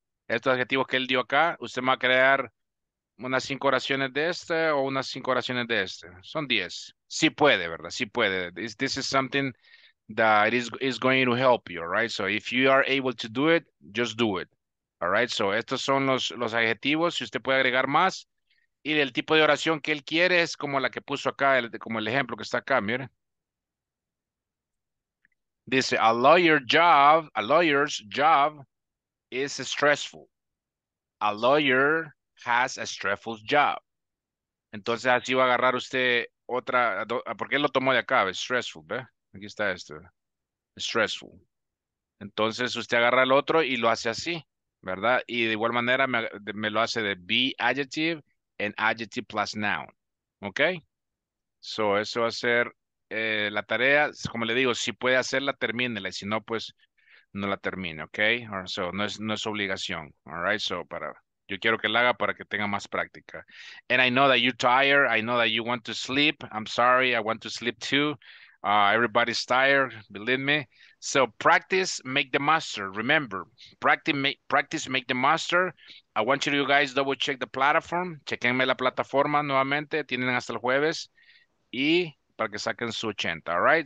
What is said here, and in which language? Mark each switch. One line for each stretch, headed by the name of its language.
Spanish: Estos adjetivos que él dio acá, usted va a crear unas 5 oraciones de este o unas 5 oraciones de este. Son 10. Sí puede, ¿verdad? Sí puede.
English: This is something that is going to help you, all right? So if you are able to do it, just do it, all right?
Spanish: So estos son los adjetivos, si usted puede agregar más. Y el tipo de oración que él quiere es como la que puso acá, como el ejemplo que está acá, mire.
English: Dice, a lawyer's job is stressful. A lawyer has a stressful job.
Spanish: Entonces así va a agarrar usted otra, porque él lo tomó de acá, stressful, ¿ve? Aquí está esto, stressful. Entonces usted agarra el otro y lo hace así, ¿verdad? Y de igual manera me lo hace de
English: be adjective and adjective plus noun,
Spanish: ¿ok? So eso va a ser la tarea, como le digo, si puede hacerla, termínela, y si no, pues no la termine, ¿ok? So no es obligación,
English: all right?
Spanish: So yo quiero que la haga para que tenga más práctica.
English: And I know that you're tired, I know that you want to sleep, I'm sorry, I want to sleep too. Everybody's tired, believe me. So practice, make the master. Remember, practice, make the master. I want you guys double check the platform.
Spanish: Chequenme la plataforma nuevamente. Tienen hasta el jueves. Y para que saquen su 80,
English: all right?